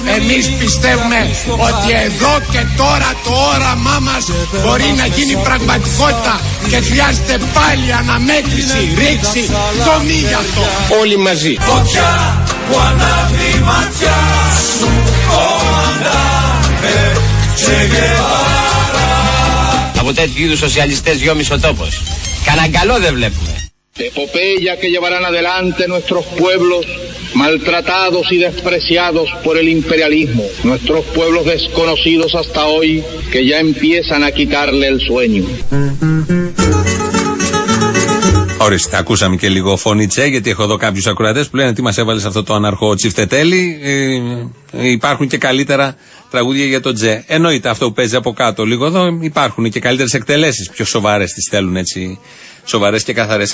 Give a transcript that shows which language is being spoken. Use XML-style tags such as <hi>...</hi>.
<el>Εμείς πιστεύουμε ότι εδώ και τώρα το όραμά μας μπορεί να γίνει πραγματικότητα και χρειάζεται πάλι αναμέτρηση, ρήξη, δομή για αυτό. Όλοι μαζί. Φωτιά που ανάβει η ματιά σου, από τέτοιου είδους σοσιαλιστές δυόμισο τόπος. Κανα καλό δεν βλέπουμε.</el> <es>Epopeya que llevarán adelante nuestros pueblos maltratados y despreciados por el imperialismo, nuestros pueblos desconocidos hasta hoy que ya empiezan a quitarle el sueño.</es> <el>Ορίστε, ακούσαμε και λίγο φωνή τσέ, γιατί έχω εδώ κάποιους ακροατές που λένε τι μας έβαλε σε αυτό το αναρχό τσιφτετέλη. Υπάρχουν και καλύτερα τραγούδια για το τζέ. Εννοείται αυτό που παίζει από κάτω λίγο εδώ, υπάρχουν και καλύτερες εκτελέσεις, πιο σοβαρές τις θέλουν έτσι. Σοβαρές και καθαρές.</el>